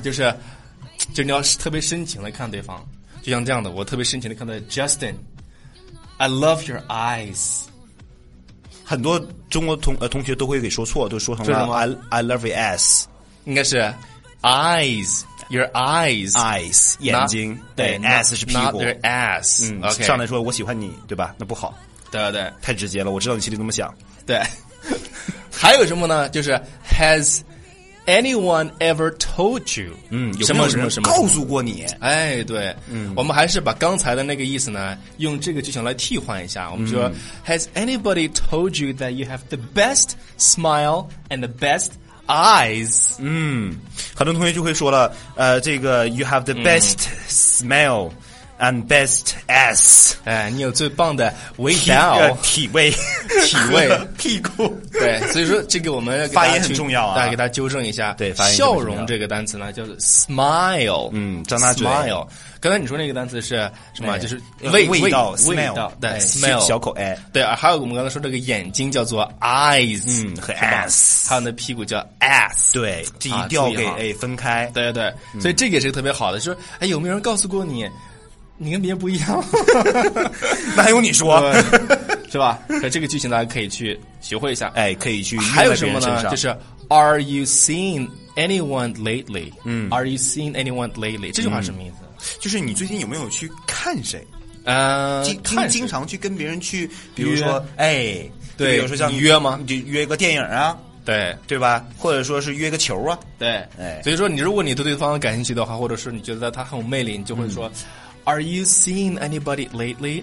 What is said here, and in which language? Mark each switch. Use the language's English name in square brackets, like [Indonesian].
[Chinese] 就是你要特别深情的看对方，就像这样的，我特别深情的看到 Justin。 [English] I love your eyes。 [Chinese] 很多中国同学都会给说错，都说成了 [English] I love your ass， [Chinese] 应该是 [English] eyes， your eyes， [Chinese] eyes 眼睛， [English] not, [Chinese] 对，ass 是屁股， [English] not your ass。 Okay. [Chinese] 上来说我喜欢你，对吧？那不好，对对，太直接了。我知道你心里怎么想。对，还有什么呢？就是 has [English] anyone ever told you? 嗯， [Chinese] 什么什么什么告诉过你？哎，对，嗯，我们还是把刚才的那个意思呢，用这个句型来替换一下。我们说、 [English] 嗯、，Has anybody told you that you have the best smile and the best eyes? 嗯， [Chinese] 很多同学就会说了，这个 [English] you have the best、嗯、smile and best ass。 [Chinese] 哎，你有最棒的味道，体味。体味屁股，对，所以说这个我们发音很重要啊，大家给大家纠正一下，对，发音笑容这个单词呢叫做 smile，嗯，张大嘴 smile， 刚才你说那个单词是什么、哎、就是味道 smile，对、哎、smile 小口 哎，对，还有我们刚才说这个眼睛叫做 eyes，嗯，和 ass，还有那屁股叫 ass，对，这一调给、啊、哎分开，对对对、嗯、所以这个也是特别好的，说哎有没有人告诉过你你跟别人不一样，那还用你说是吧？那这个剧情大家可以去学会一下，哎，可以去。还有什么呢？就是 [English] Are you seeing anyone lately？嗯，Are you seeing anyone lately？、嗯、 [Chinese] 这句话什么意思？就是你最近有没有去看谁？经常去跟别人去，比如说，哎，对，比如说像你约吗？你就约一个电影啊。对对吧，或者说是约个球啊，对、哎、所以说你如果你对对方感兴趣的话，或者是你觉得他很有魅力，你就会说、嗯、 [English] Are you seeing anybody lately？